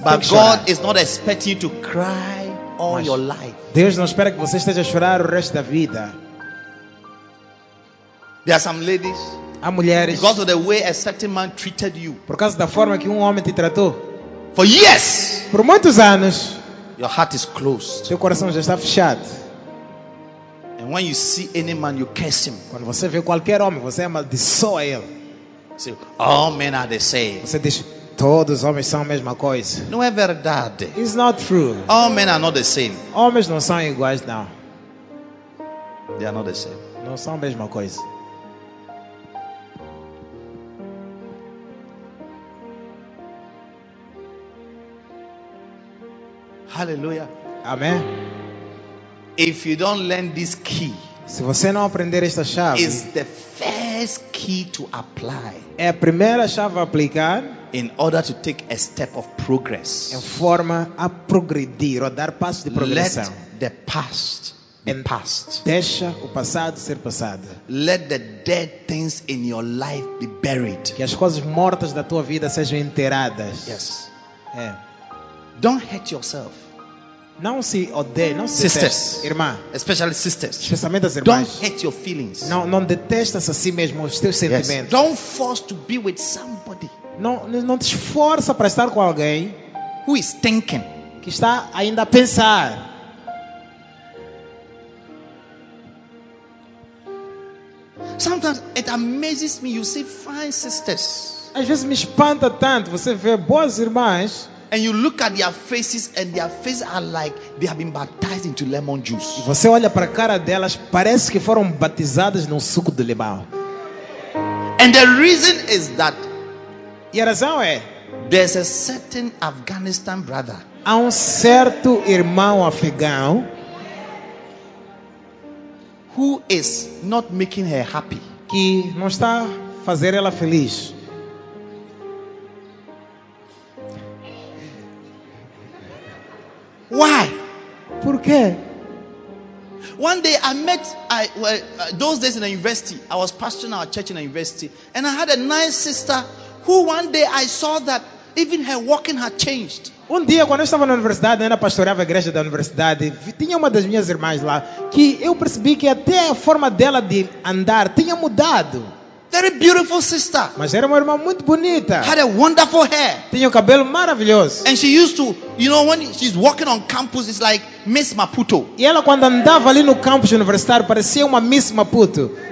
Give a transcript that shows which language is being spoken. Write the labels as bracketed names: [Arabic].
[English] but God is not expecting you to cry all mas your life. [Portuguese] Deus não espera que você esteja a chorar o resto da vida. [English] There are some ladies. [Portuguese] Há mulheres. [English] Because of the way a certain man treated you. [Portuguese] Por causa da forma que homem te tratou. [English] For years. [Portuguese] Por muitos anos. [English] Your heart is closed. [Portuguese] Seu coração já está fechado. [English] And when you see any man, you curse him. [Portuguese] Quando você vê qualquer homem, você amaldiçoa ele. [English] All men are the same. [Portuguese] Você diz, todos os homens são a mesma coisa. Não é verdade. [English] It's not true. All men are not the same. [Portuguese] Homens não são iguais, não. [English] They are not the same. [Portuguese] Não são a mesma coisa. [English] Hallelujah. Amen. If you don't learn this key, [Portuguese] se você não aprender esta chave, [English] is the first key to apply. [Portuguese] É a primeira chave a aplicar. [English] In order to take a step of progress. [Portuguese] Em forma a progredir, a dar passo de progressão. [English] Let the past be past. [Portuguese] Deixa o passado ser passado. [English] Let the dead things in your life be buried. [Portuguese] Que as coisas mortas da tua vida sejam enterradas. [English] Yes. [Portuguese] É. [English] Don't hurt yourself. [Portuguese] Não se odeie, não se [English] sisters, [Portuguese] deteste, irmã. [English] Especially sisters. [Portuguese] Especialmente as irmãs. [English] Don't hate your feelings. [Portuguese] Não detestas a si mesmo os teus sentimentos. [English] Yes. Don't force to be with somebody. [Portuguese] Não te esforça para estar com alguém [English] who is thinking. [Portuguese] Que está ainda a pensar. [English] Sometimes it amazes me you see fine sisters. [Portuguese] Às vezes me espanta tanto você ver boas irmãs. [English] And you look at their faces and their faces are like they have been baptized into lemon juice. [Portuguese] Você olha para a cara delas, parece que foram batizadas num suco de limão. [English] And the reason is that [Portuguese] e a razão é, [English] there's a certain Afghanistan brother. [Portuguese] Há certo irmão afegão [English] who is not making her happy. [Portuguese] Que não está fazer ela feliz. [English] Why? [Portuguese] Por quê? [English] One day I met those days in the university. I was pastoring our church in the university, and I had a nice sister who one day I saw that even her walking had changed. [Portuguese] Um dia quando eu estava na universidade, ainda pastoreava a igreja da universidade, tinha uma das minhas irmãs lá que eu percebi que até a forma dela de andar tinha mudado. [English] Very beautiful sister. [Portuguese] Mas era uma irmã muito bonita. [English] Had a wonderful hair. [Portuguese] Tinha um cabelo maravilhoso. [English] And she used to, you know, when she's walking on campus, it's like Miss Maputo. [Portuguese] E ela quando andava ali no campus universitário parecia uma Miss Maputo.